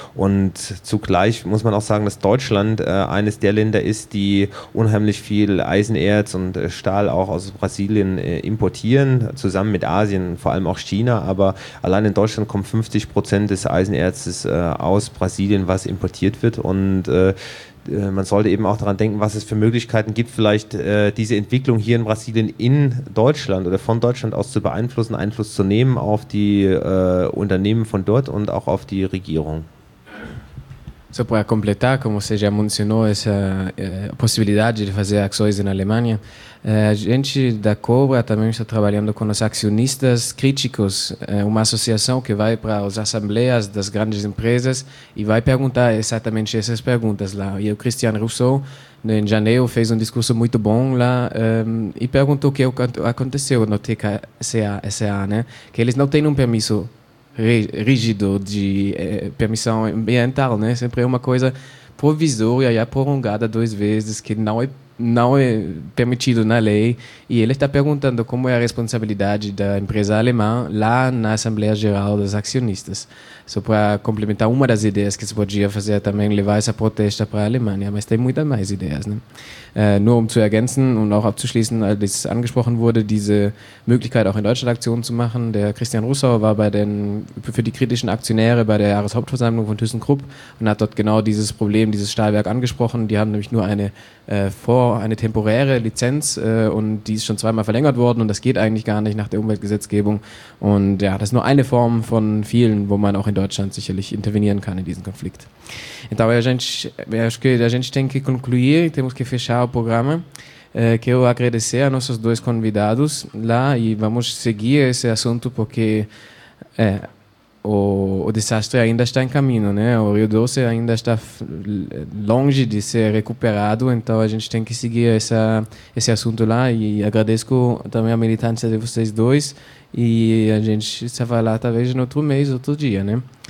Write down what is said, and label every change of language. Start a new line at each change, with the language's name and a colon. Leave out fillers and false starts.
German: Und zugleich muss man auch sagen, dass Deutschland eines der Länder ist, die unheimlich viel Eisenerz und Stahl auch aus Brasilien importieren, zusammen mit Asien, vor allem auch China, aber allein in Deutschland kommen 50% des Eisenerzes aus Brasilien, was importiert wird, und man sollte eben auch daran denken, was es für Möglichkeiten gibt, vielleicht diese Entwicklung hier in Brasilien in Deutschland oder von Deutschland aus zu beeinflussen, Einfluss zu nehmen auf die Unternehmen von dort und auch auf die Regierung.
Portuguese: Só para completar, como você já mencionou, essa possibilidade de fazer ações na Alemanha, a gente da Cobra também está trabalhando com os acionistas críticos, uma associação que vai para as assembleias das grandes empresas e vai perguntar exatamente essas perguntas lá. E o Christian Rousseau, em janeiro, fez um discurso muito bom lá e perguntou o que aconteceu no TKCA, né? Que eles não têm um permisso rígido de permissão ambiental, né? Sempre é uma coisa provisória e prolongada duas vezes, que não é permitido na lei. E ele está perguntando como é a responsabilidade da empresa alemã lá na Assembleia Geral dos Acionistas. Só para complementar uma das ideias que se podia fazer também, levar essa protesta para a Alemanha, mas tem muitas mais ideias, né?
German: Nur um zu ergänzen und auch abzuschließen, als angesprochen wurde, diese Möglichkeit auch in Deutschland Aktionen zu machen. Der Christian Rousseau war für die kritischen Aktionäre bei der Jahreshauptversammlung von ThyssenKrupp und hat dort genau dieses Problem, dieses Stahlwerk angesprochen. Die haben nämlich nur eine eine temporäre Lizenz und die ist schon zweimal verlängert worden und das geht eigentlich gar nicht nach der Umweltgesetzgebung. Und ja, das ist nur eine Form von vielen, wo man auch in Deutschland sicherlich intervenieren kann in diesem Konflikt.
Portuguese: Então, a gente tem que concluir, temos que fechar o programa. Quero agradecer a nossos dois convidados lá e vamos seguir esse assunto porque o desastre ainda está em caminho, né? O Rio Doce ainda está longe de ser recuperado, então a gente tem que seguir esse assunto lá e agradeço também a militância de vocês dois e a gente se vai lá talvez no outro mês, outro dia, né?